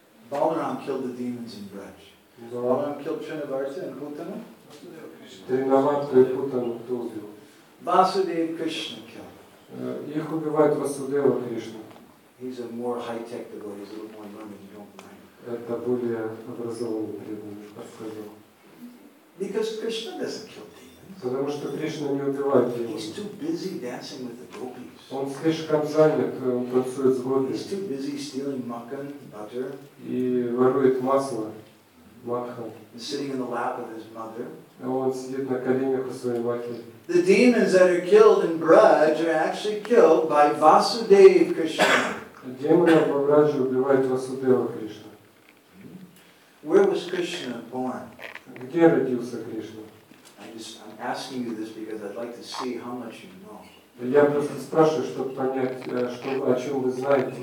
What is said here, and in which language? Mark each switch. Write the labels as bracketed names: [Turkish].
[English] Balaram killed the demons in Braj. Balaram killed Trinavarta and Putana? [Russian] Тринаварту и Путану кто убил? [English] Vasudeva Krishna killed. [Russian] Их убивает Васудева Кришна. [English] He's a more high-tech devotee. He's a little more learned. You don't mind. [Russian] Это более образованный преданный, как сказал. [English] Because Krishna doesn't kill demons. [Russian] Потому что Кришна не убивает демонов. [English] He's too busy dancing with the gopis. [Russian] Он слишком занят, он танцует с гопи. [English] He's too busy stealing makhan, butter. [Russian] И ворует масло, макхан. [English] He's sitting in the lap of his mother. [Russian] Он сидит на коленях у своей матери. [English] The demons that are killed in Braj are actually killed by Vasudev Krishna. [Russian] Демоны в Брадже убивают Васудева Кришна. [English] Where was Krishna born? [Russian] Где родился Кришна? [English] I'm asking you this because I'd like to see how much you know. [Russian] Я просто спрашиваю, чтобы понять, что о чем вы знаете.